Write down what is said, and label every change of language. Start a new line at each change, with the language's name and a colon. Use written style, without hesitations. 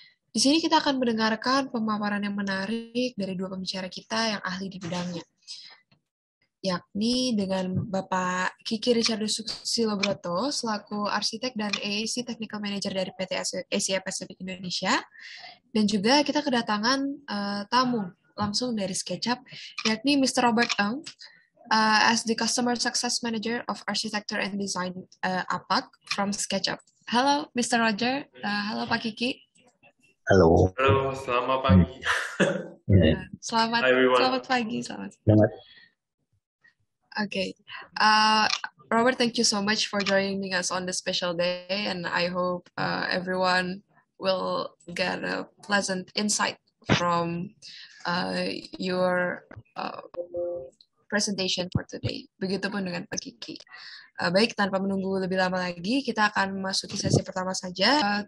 Indonesian: Di sini kita akan mendengarkan pemaparan yang menarik dari dua pembicara kita yang ahli di bidangnya. Yakni dengan Bapak Kiki Richardus S, selaku arsitek dan AAC Technical Manager dari PT Asia Pacific Indonesia. Dan juga kita kedatangan tamu langsung dari SketchUp, yakni Mr.
English: Robert Ng, as the Customer Success Manager of Architecture and Design APAC from SketchUp.
Indonesian: Halo, Mr. Roger. Halo, Pak Kiki. Halo. Halo, selamat pagi. Selamat,
English: hi everyone.
Indonesian: Selamat pagi. Selamat. Selamat.
English: Okay. Robert, thank you so much for joining us on this special day, and I hope everyone will get a pleasant insight from your presentation for today.
Indonesian: Begitupun dengan Pak Kiki. Baik, tanpa menunggu lebih lama lagi, kita akan masuk ke sesi pertama saja.